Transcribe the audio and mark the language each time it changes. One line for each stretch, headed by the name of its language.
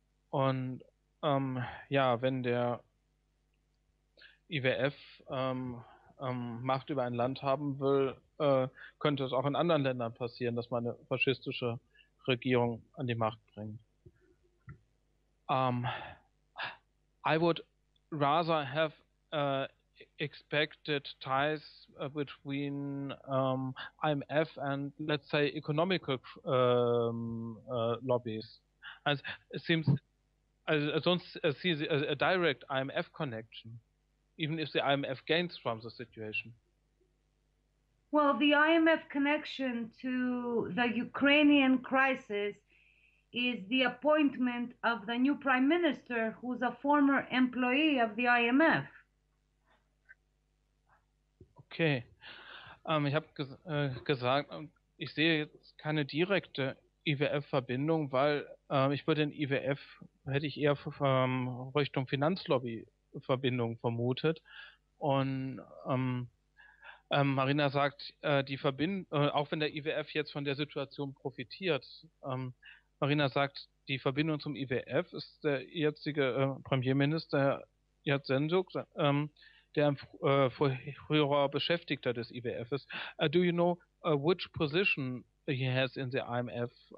German: Und ja, wenn der IWF Macht über ein Land haben will, könnte es auch in anderen Ländern passieren, dass man eine faschistische Regierung an die Macht bringt.
English: I would rather have expected ties between IMF and, let's say, economical lobbies. As it seems, sonst see a direct IMF connection, even if the IMF gains from the situation. Well, the IMF connection to the Ukrainian crisis is the appointment of the new prime minister, who's a former employee of the IMF. Okay.
German: Ich habe gesagt, ich sehe jetzt keine direkte IWF-Verbindung, weil ich würde den IWF, hätte ich eher Richtung Finanzlobby Verbindung vermutet. Und Marina sagt, die auch wenn der IWF jetzt von der Situation profitiert, Marina sagt, die Verbindung zum IWF ist der jetzige Premierminister Yatsenyuk, der ein früherer Beschäftigter des IWF ist.
English: Do you know which position he has in the IMF?